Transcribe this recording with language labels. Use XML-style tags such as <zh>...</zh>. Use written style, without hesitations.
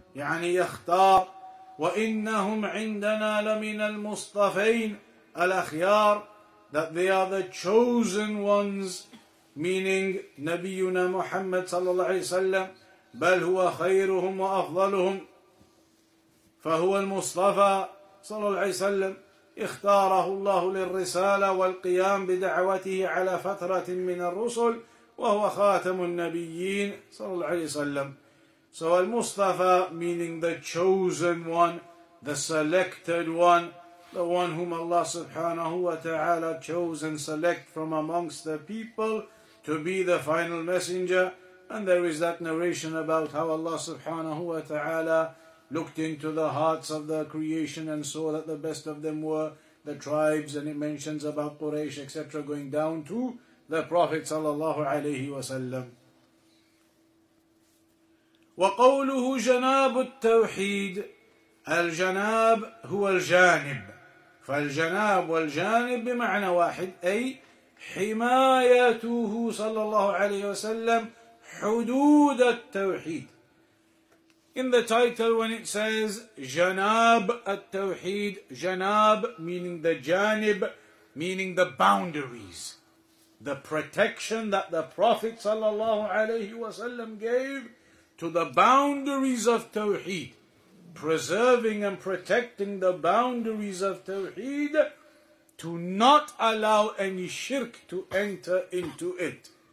<ar>يعني يختار وإنهم عندنا لمن المصطفين الأخيار,</ar> <en>that they are the chosen ones, meaning</en> <ar>نبينا محمد صلى الله عليه وسلم, بل هو خيرهم وأفضلهم, فهو المصطفى صلى الله عليه وسلم اختاره الله للرسالة والقيام بدعوته على فترة من الرسل وهو خاتم النبيين صلى الله عليه وسلم.</ar> <en>So al-Mustafa, meaning the chosen one, the selected one, the one whom Allah subhanahu wa ta'ala chose and select from amongst the people to be the final messenger. And there is that narration about how Allah subhanahu wa ta'ala looked into the hearts of the creation and saw that the best of them were the tribes, and it mentions about Quraysh, etc., going down to the Prophet sallallahu alayhi wa sallam.</en> <ar>وقوله جناب التوحيد, الجناب هو الجانب, فالجناب والجانب بمعنى واحد, أي حمايته صلى الله عليه وسلم حدود التوحيد.</ar> <en>In the title when it says</en> <ar>جناب التوحيد,</ar> <en>جناب meaning the جانب, meaning the boundaries, the protection that the Prophet</en> <ar>صلى الله عليه وسلم</ar> <en>gave to the boundaries of Tawheed, preserving and protecting the boundaries of Tawheed to not allow any shirk to enter into it.</en>